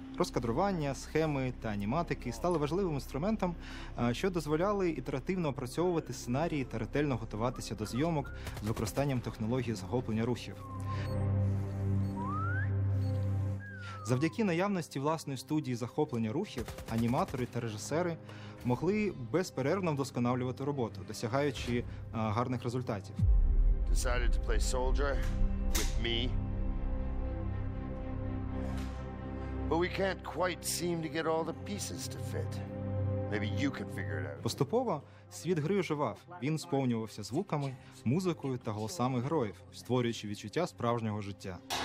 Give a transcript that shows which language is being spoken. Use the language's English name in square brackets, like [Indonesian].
[Ukrainian] Розкадрування, схеми та аніматики стали важливим інструментом, що дозволяли ітеративно опрацьовувати сценарії та ретельно готуватися до зйомок з використанням технології захоплення рухів. Завдяки наявності власної студії захоплення рухів, аніматори та режисери могли безперервно вдосконалювати роботу, досягаючи гарних результатів. [English] Decided to play soldier with me. But we can't quite seem to get all the pieces to fit. Maybe you can figure it out. [Ukrainian] Поступово світ гри оживав. Він сповнювався звуками, музикою та голосами героїв, створюючи відчуття справжнього життя.